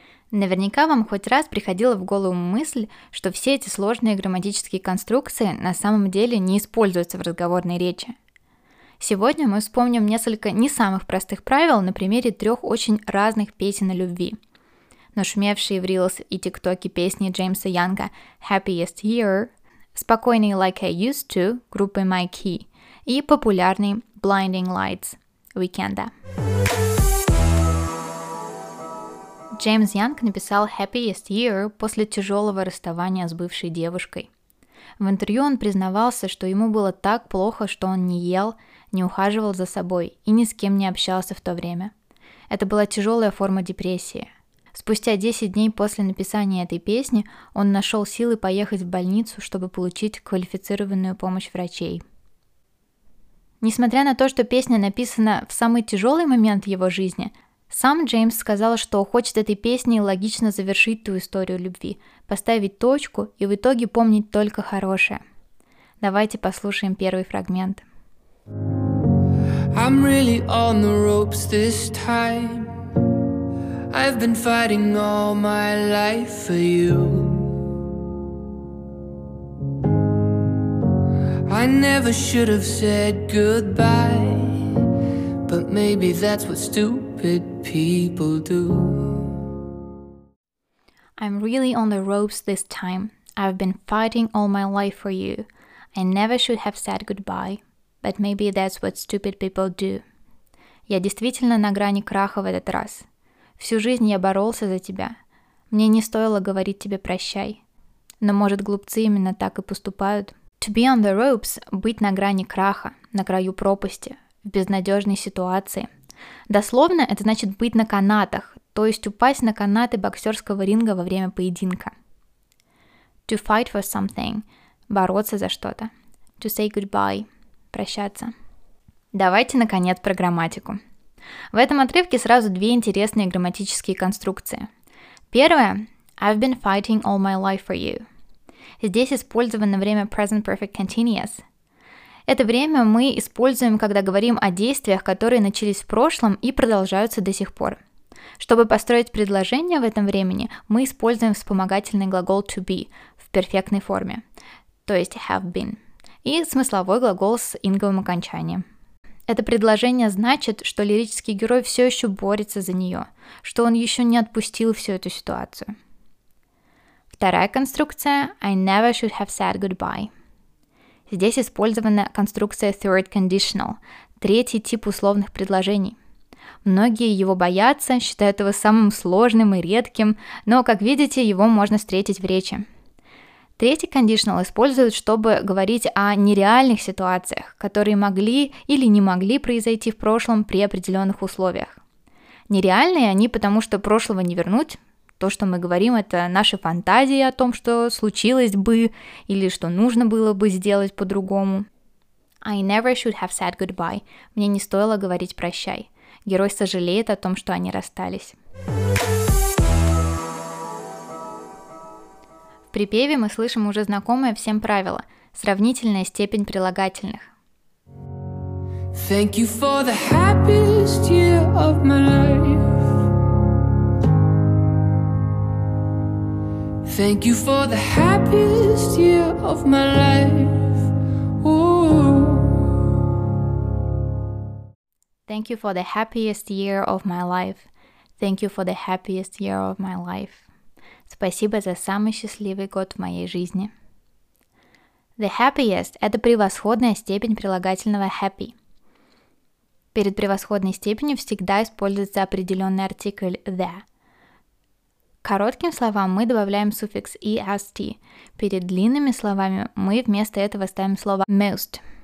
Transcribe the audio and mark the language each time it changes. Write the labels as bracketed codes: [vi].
[ru] Наверняка вам хоть раз приходила в голову мысль, что все эти сложные грамматические конструкции на самом деле не используются в разговорной речи. Сегодня мы вспомним несколько не самых простых правил на примере трех очень разных песен о любви. Нашумевшие в Reels и ТикТоке песни Джеймса Янга «Happiest Year», спокойный «Like I Used To» группы «My Key» и популярный «Blinding Lights» «Weekenda». Джеймс Янг написал «Happiest Year» после тяжелого расставания с бывшей девушкой. В интервью он признавался, что ему было так плохо, что он не ел, не ухаживал за собой и ни с кем не общался в то время. Это была тяжелая форма депрессии. Спустя 10 дней после написания этой песни он нашел силы поехать в больницу, чтобы получить квалифицированную помощь врачей. Несмотря на то, что песня написана в самый тяжелый момент его жизни, сам Джеймс сказал, что хочет этой песней логично завершить ту историю любви, поставить точку и в итоге помнить только хорошее. Давайте послушаем первый фрагмент. [en] I'm really on the ropes this time. I've been fighting all my life for you. I never should have said goodbye, but maybe that's what stupid people do. I'm really on the ropes this time. I've been fighting all my life for you. I never should have said goodbye, but maybe that's what stupid people do. [ru] Я действительно на грани краха в этот раз. Всю жизнь я боролся за тебя. Мне не стоило говорить тебе прощай. Но, может, глупцы именно так и поступают. [en] To be on the ropes [ru] – быть на грани краха, на краю пропасти, в безнадежной ситуации. Дословно это значит быть на канатах, то есть упасть на канаты боксерского ринга во время поединка. [en] To fight for something – [ru] бороться за что-то. [en] To say goodbye – [ru] прощаться. Давайте, наконец, про грамматику. В этом отрывке сразу две интересные грамматические конструкции. Первая [en] – I've been fighting all my life for you. [ru] Здесь использовано время present perfect continuous. Это время мы используем, когда говорим о действиях, которые начались в прошлом и продолжаются до сих пор. Чтобы построить предложение в этом времени, мы используем вспомогательный глагол to be в перфектной форме, то есть have been, и смысловой глагол с инговым окончанием. Это предложение значит, что лирический герой все еще борется за нее, что он еще не отпустил всю эту ситуацию. Вторая конструкция [en] – I never should have said goodbye. [ru] Здесь использована конструкция third conditional – третий тип условных предложений. Многие его боятся, считают его самым сложным и редким, но, как видите, его можно встретить в речи. Третий conditional используют, чтобы говорить о нереальных ситуациях, которые могли или не могли произойти в прошлом при определенных условиях. Нереальные они, потому что прошлого не вернуть. То, что мы говорим, это наши фантазии о том, что случилось бы или что нужно было бы сделать по-другому. [en] I never should have said goodbye. [ru] Мне не стоило говорить прощай. Герой сожалеет о том, что они расстались. В припеве мы слышим уже знакомое всем правило – сравнительная степень прилагательных. [en] Thank you for the happiest year of my life. Thank you for the happiest year of my life. Ooh. Thank you for the happiest year of my life. Thank you for the happiest year of my life. [ru] Спасибо за самый счастливый год в моей жизни. The happiest – это превосходная степень прилагательного happy. Перед превосходной степенью всегда используется определенный артикль the. Коротким словам мы добавляем суффикс est. Перед длинными словами мы вместо этого ставим слово most.